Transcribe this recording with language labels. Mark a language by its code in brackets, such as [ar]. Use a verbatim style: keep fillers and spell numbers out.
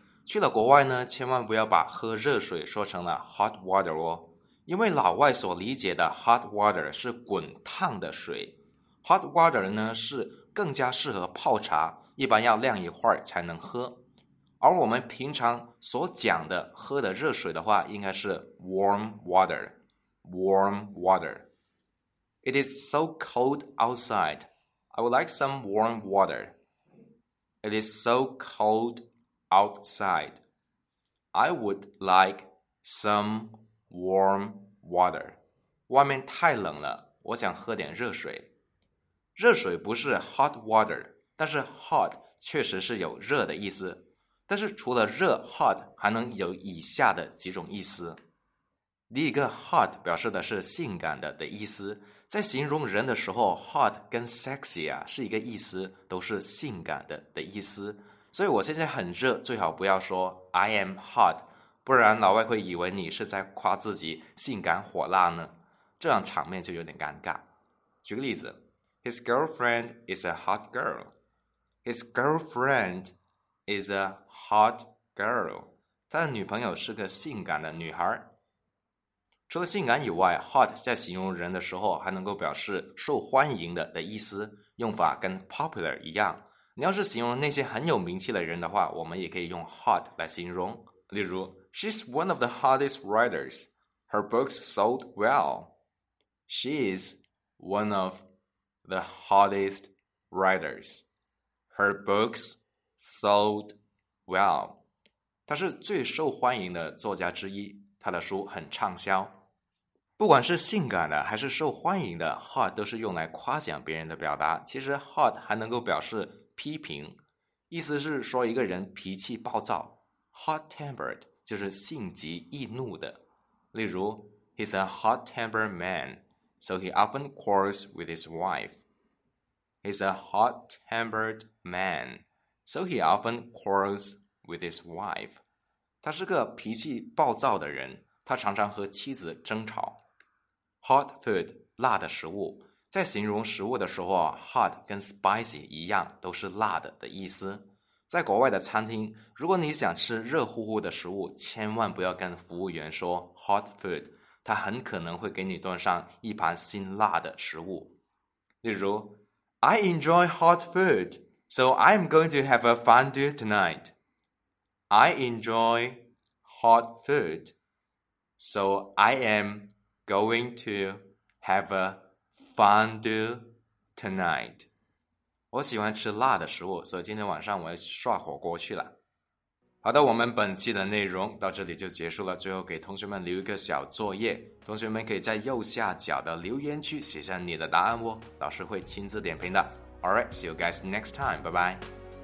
[zh] 去了国外呢，千万不要把喝热水说成了 hot water 哦，因为老外所理解的 hot water 是滚烫的水， hot water 呢是更加适合泡茶，一般要晾一会儿才能喝。而我们平常所讲的喝的热水的话，应该是 [en] warm water, warm water. It is so cold outside. I would like some warm water. It is so cold outside. Outside, I would like some warm water. [zh] 外面太冷了，我想喝点热水。热水不是 hot water， 但是 hot 确实是有热的意思。但是除了热 hot， 还能有以下的几种意思。第一个 hot 表示的是性感的的意思，在形容人的时候 ，hot 跟 sexy 啊是一个意思，都是性感的的意思。所以我现在很热，最好不要说 [en] I am hot， [zh] 不然老外会以为你是在夸自己性感火辣呢，这样场面就有点尴尬。举个例子 [en] ，His girlfriend is a hot girl. His girlfriend is a hot girl. [zh] 他的女朋友是个性感的女孩。除了性感以外 ，hot 在形容人的时候还能够表示受欢迎的的意思，用法跟 popular 一样。你要是形容那些很有名气的人的话，我们也可以用 hot 来形容。例如 [en] She's one of the hottest writers. Her books sold well. She is one of the hottest writers. Her books sold well. [zh] 她是最受欢迎的作家之一，她的书很畅销。不管是性感的还是受欢迎的 hot 都是用来夸奖别人的表达。其实 hot 还能够表示批评，意思是说一个人脾气暴躁 ，hot-tempered 就是性急易怒的。例如 [en] ，He's a hot-tempered man, so he often quarrels with his wife. He's a hot-tempered man, so he often quarrels with his wife. [zh] 他是个脾气暴躁的人，他常常和妻子争吵。 [en] Hot food [zh] 辣的食物。在形容食物的时候啊 ，hot 跟 spicy 一样，都是辣的的意思。在国外的餐厅，如果你想吃热乎乎的食物，千万不要跟服务员说 hot food， 他很可能会给你端上一盘辛辣的食物。例如 [en] ，I enjoy hot food, so I'm going to have a fondue tonight. I enjoy hot food, so I am going to have a fondue tonight. [zh] 我喜欢吃辣的食物，所以今天晚上我要涮火锅去了。好的，我们本期的内容到这里就结束了。最后给同学们留一个小作业，同学们可以在右下角的留言区写下你的答案哦，老师会亲自点评的。 [en] Alright, see you guys next time. Bye bye.